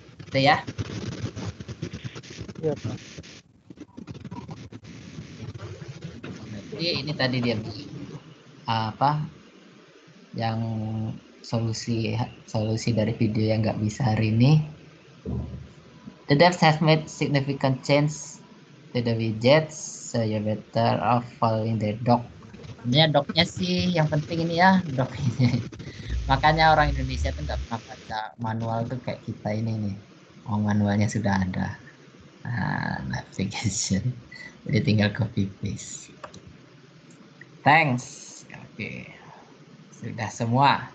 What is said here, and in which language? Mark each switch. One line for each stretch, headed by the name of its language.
Indonesian: Itu ya. Iya, Pak. Jadi ini tadi dia apa? Yang solusi dari video yang nggak bisa hari ini.
English: The devs have made significant change to the widgets, so you better off following the doc.
Indonesian: Ini doc-nya sih yang penting ini ya, doc ini. Makanya orang Indonesia tuh nggak pernah baca manual tuh kayak kita ini nih. Oh manualnya sudah ada. Navigation. Jadi tinggal copy paste. Thanks. Oke. Sudah semua.